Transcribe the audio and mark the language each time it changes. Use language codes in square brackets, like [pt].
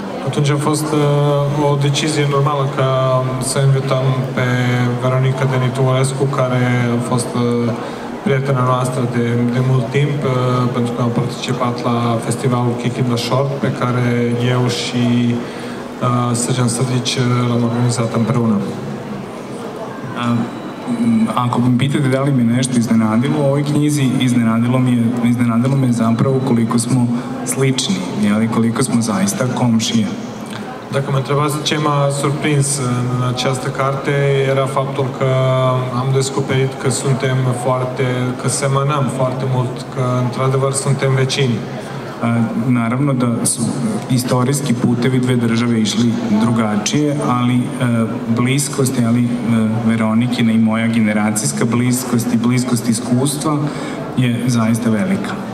[ro] Atunci a fost o decizie normală ca să invităm pe Veronica de Niculescu, care a fost prietena noastră de mult timp, pentru că am participat la festivalul Kikinda Short, pe care eu și Srđan Srdić l-am organizat împreună. [sr] Ako mi pitate da li mi nešto iznenadilo u ovoj knjizi, iznenadilo mi je zapravo koliko smo slični, jeli, koliko smo zaista komšije. [ro] Dacă mă întrebați ce m-a surprins în această carte, era faptul că am descoperit că suntem foarte, că semănăm foarte mult, că într-adevăr suntem vecini. [sr] Naravno da su istorijski putevi dve države išli drugačije, ali bliskost, ali Veronikina i moja generacijska bliskost i bliskost iskustva je zaista velika.